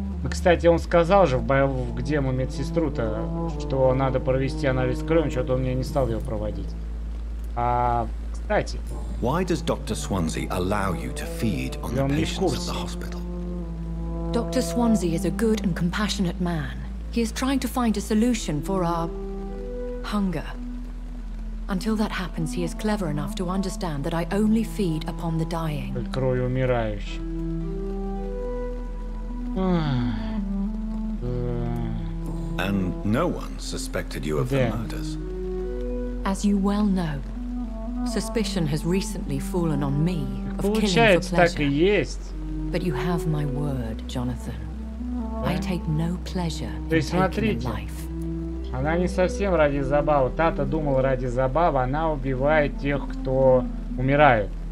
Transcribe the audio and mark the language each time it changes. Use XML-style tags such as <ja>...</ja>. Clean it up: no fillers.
<ru>Кстати, он сказал же, где мы медсестру-то, что надо провести анализ крови, что-то он мне не стал его проводить. А, кстати.</ru> <en>Why does Dr. Swansea allow you to feed on the patients at the hospital? Dr. Swansea is a good and compassionate man. He is trying to find a solution for our hunger. Until that happens, he is clever enough to understand that I only feed upon the dying.</en> <ru>Кровь умирающих.</ru> <en>And no one suspected you of the murders. As you well know, suspicion has recently fallen on me of killing for pleasure.</en> <ru>Получается, так и есть.</ru> <en>But you have my word, Jonathan. I take no pleasure in taking a life.</en> <ru>Она не совсем ради забавы. Тата думал ради забавы, она убивает тех, кто умирает.</ru>